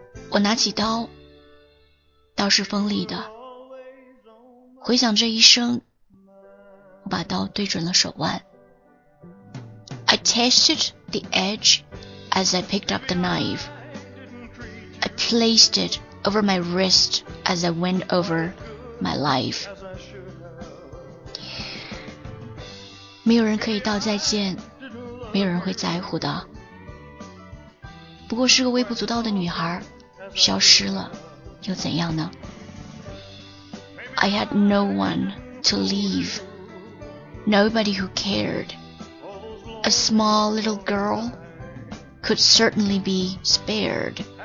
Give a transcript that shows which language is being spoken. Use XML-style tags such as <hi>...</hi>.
<zh>我拿起刀，刀是锋利的，回想这一生，我把刀对准了手腕。</zh> <en>I tested the edge as I picked up the knife. I placed it over my wrist as I went over my life.</en> <zh>没有人可以道再见，没有人会在乎的。不过是个微不足道的女孩，消失了，又怎样呢？</zh> <en>I had no one to leave, nobody who cared. A small little girl could certainly be spared.</en>